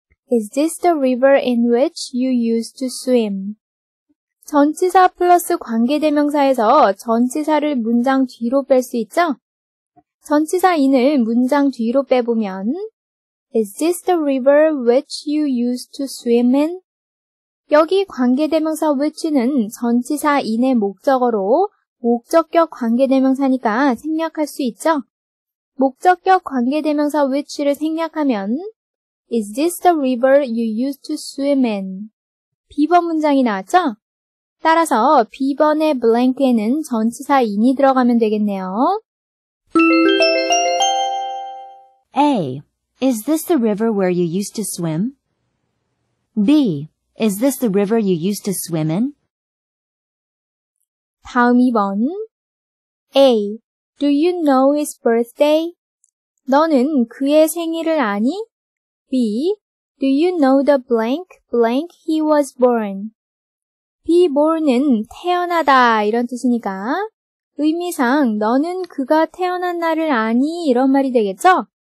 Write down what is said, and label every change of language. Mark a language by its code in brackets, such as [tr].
[en] Is this the river in which you used to swim? [ko] 전치사 플러스 관계대명사에서 전치사를 문장 뒤로 뺄 수 있죠? 전치사 in을 문장 뒤로 빼보면 [en] Is this the river which you used to swim in? [ko] 여기 관계대명사 which는 전치사 in의 목적어로 목적격 관계대명사니까 생략할 수 있죠? 목적격 관계대명사 which를 생략하면 [en] Is this the river you used to swim in? [ko] 비번 문장이 나왔죠? 따라서 비번의 blank에는 전치사 in이 들어가면 되겠네요. A. [en] Is this the river where you used to swim? B. Is this the river you used to swim in? [ko] 다음 2번 [en] A. Do you know his birthday? [ko] 너는 그의 생일을 아니? B. [en] Do you know the blank blank he was born? [ko] Be born은 태어나다 이런 뜻이니까 의미상 너는 그가 태어난 날을 아니 이런 말이 되겠죠?